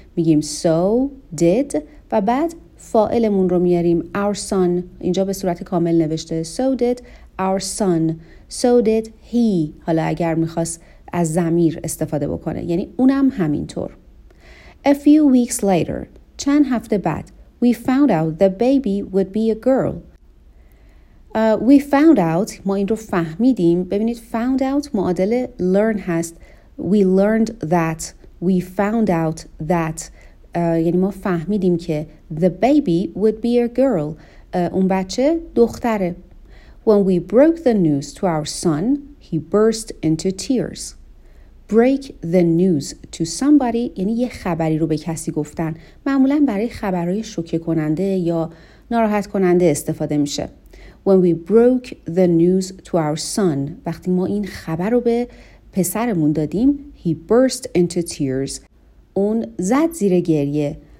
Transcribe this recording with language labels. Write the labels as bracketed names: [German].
[Persian] میگیم so did و بعد فاعلمون رو میاریم، our son. اینجا به صورت کامل نوشته [English] so did our son. So did he. [Persian] حالا اگر میخواست از ضمیر استفاده بکنه، یعنی اونم همینطور. [English] A few weeks later. [Persian] چند هفته بعد. [English] We found out the baby would be a girl. We found out. [Persian] ما این رو فهمیدیم. ببینید found out معادل learn هست. [English] We learned that. We found out that. [Persian] یعنی ما فهمیدیم که [English] the baby would be a girl. [Persian] اون بچه دختره. [English] When we broke the news to our son, he burst into tears. Break the news to somebody [Persian] یعنی یه خبری رو به کسی گفتن. معمولا برای خبرهای شوکه کننده یا ناراحت کننده استفاده میشه. [English] When we broke the news to our son، [Persian] وقتی ما این خبر رو به پسرمون دادیم، [English] he burst into tears. [Persian] اون زد زیر گریه.